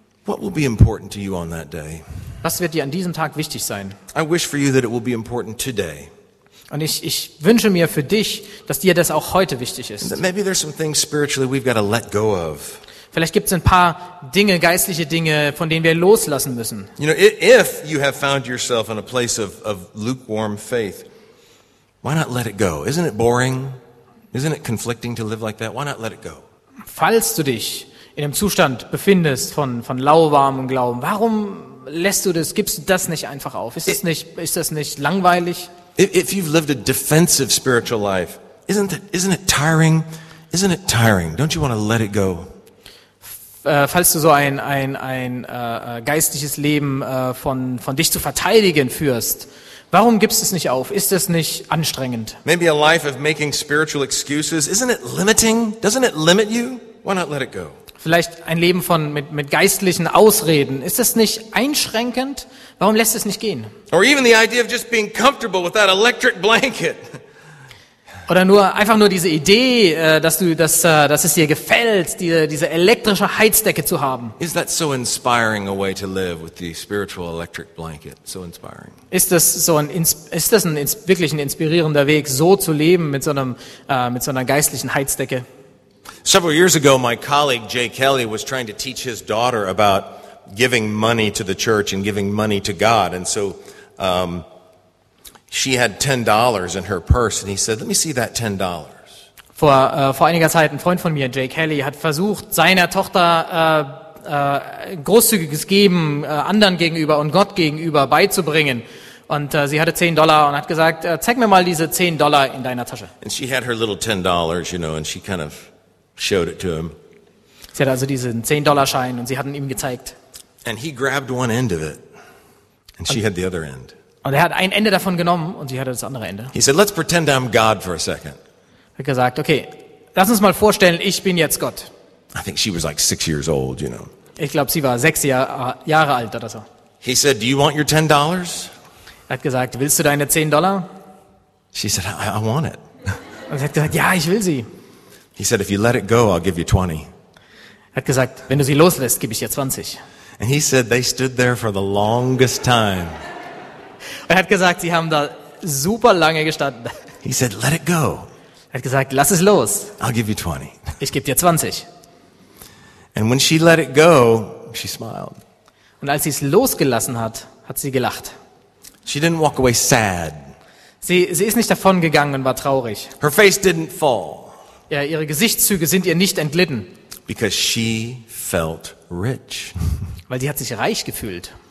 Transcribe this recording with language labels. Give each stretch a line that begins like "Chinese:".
English: What will be important to you on that day?
German: Was wird dir an diesem Tag wichtig sein?
English: I wish for you that it will be important today.
German: Und ich wünsche mir für dich, dass dir das auch heute wichtig ist.
English: That maybe there's some things spiritually we've got to let go of.
German: Vielleicht gibt's ein paar Dinge, geistliche Dinge, von denen wir loslassen müssen.
English: You know, if you have found yourself in a place of lukewarm faith, why not let it go? Isn't it boring? Isn't it conflicting to live like that? Why not let it go?
German: Falls du dich in einem Zustand befindest von lauwarmem Glauben, warum lässt du das? Gibst du das nicht einfach auf? Ist das nicht langweilig?
English: If you've lived a defensive spiritual life, isn't it tiring? Isn't it tiring? Don't you want to let it go?
German: Falls du so ein geistliches Leben von dich zu verteidigen führst, warum gibst du es nicht auf? Ist es nicht anstrengend?
English: Maybe a life of making spiritual excuses, isn't it limiting? Doesn't it limit you? Why not let it go?
German: Vielleicht ein Leben von mit geistlichen Ausreden. Ist das nicht einschränkend? Warum lässt es nicht gehen?
English: Or even the idea of just being comfortable with that electric blanket.
German: Oder nur einfach nur diese Idee, dass es dir gefällt, diese elektrische Heizdecke zu haben.
English: Is that so inspiring a way to live with the spiritual electric blanket? So inspiring.
German: Ist das wirklich ein inspirierender Weg, so zu leben mit so einer geistlichen Heizdecke?
English: Several years ago, my colleague Jay Kelly was trying to teach his daughter about giving money to the church and giving money to God, and so. She had $10 in her purse, and he said, "Let me see that $10."
German: Vor einiger Zeit, ein Freund von mir, Jay Kelly, hat versucht, seiner Tochter großzügiges Geben anderen gegenüber und Gott gegenüber beizubringen. Und sie hatte $10 und hat gesagt, "Zeig mir mal diese $10 in deiner Tasche."
English: And she had her little $10, you know, and she kind of showed it to him.
German: Sie hatte also diesen $10-Schein und sie hat ihn ihm gezeigt.
English: And he grabbed one end of it, and she had the other end.
German: Und er hat ein Ende davon genommen und sie hatte das andere Ende.
English: He said, "Let's pretend I'm God for a second."
German: Er hat gesagt, okay, lass uns mal vorstellen, ich bin jetzt Gott.
English: I think she was like 6 years old, you know.
German: Ich glaube, sie war 6 Jahre alt oder so.
English: He said, "Do you want your $10?"
German: Er hat gesagt, willst du deine $10?
English: She said, "I want it."
German: Und sie hat gesagt, ja, ich will sie.
English: He said, "If you let it go, I'll give you 20."
German: Er hat gesagt, wenn du sie loslässt, gebe ich dir 20.
English: And he said, they stood there for the longest time.
German: Er hat gesagt, sie haben da super lange gestanden.
English: He said, "Let it go."
German: Er hat gesagt, lass es los.
English: "I'll give you 20."
German: Ich gebe dir 20.
English: And when she let it go, she smiled.
German: Und als sie es losgelassen hat, hat sie gelacht.
English: She didn't walk away sad.
German: Sie ist nicht davon gegangen und war traurig.
English: Her face didn't fall.
German: Ja, ihre Gesichtszüge sind ihr nicht entglitten.
English: Because she felt rich.
German: Weil sie hat sich reich gefühlt.